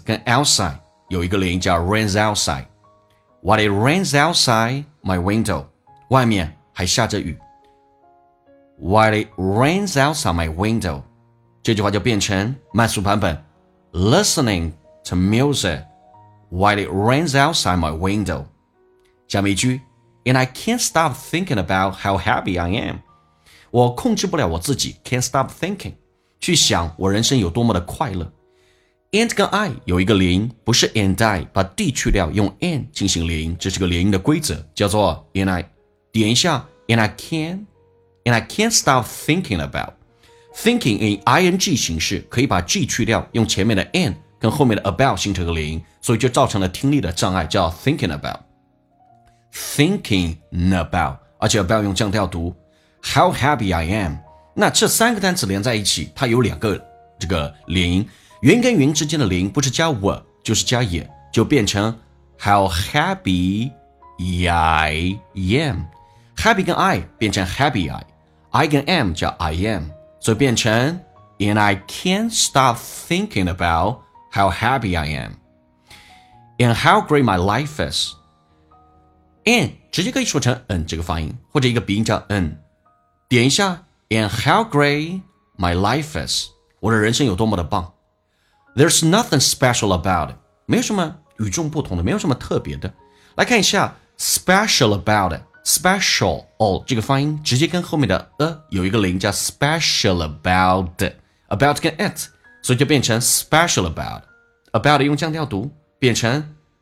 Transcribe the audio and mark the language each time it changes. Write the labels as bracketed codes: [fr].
[zh] 跟 outside 有一个连叫 [en] rains outside while it rains outside my window [zh] 外面还下着雨 [en] while it rains outside my window [zh] 这句话就变成慢速版本 [en] listening to music while it rains outside my window [zh] 下面一句 [en] And I can't stop thinking about how happy I am. [zh] 我控制不了我自己 [en] can't stop thinking. [zh] 去想我人生有多么的快乐。 And 跟 I 有一个连音，不是 and I， 把 D 去掉，用 and 进行连音，这是个连音的规则，叫做 and I。点一下 [en] and I can't stop thinking about [zh] thinking in ing 形式，可以把 G 去掉，用前面的 and 跟后面的 about 形成个连音，所以就造成了听力的障碍，叫 thinking about。 [en] Thinking about， [zh] 而且 about 用降调读。 [en] How happy I am。 [zh] 那这三个单词连在一起，它有两个这个连音，云跟云之间的连音不是加 were 就是加 也， 就变成 [en] How happy I am。 [zh] Happy 跟 I 变成 happy I。 I 跟 am 叫 I am， 所以变成 [en] And I can't stop thinking about how happy I am and how great my life is。 [zh] And 直接可以说成 N 这个发音，或者一个鼻音叫 N。点一下 [en] ，And how great my life is， [zh] 我的人生有多么的棒。 [en] There's nothing special about it， [zh] 没有什么与众不同的，没有什么特别的。来看一下 [en] special about it， [zh] special 哦，这个发音直接跟后面的 有一个连音叫 special about 跟 it， 所以就变成 special about。 about 用降调读，变成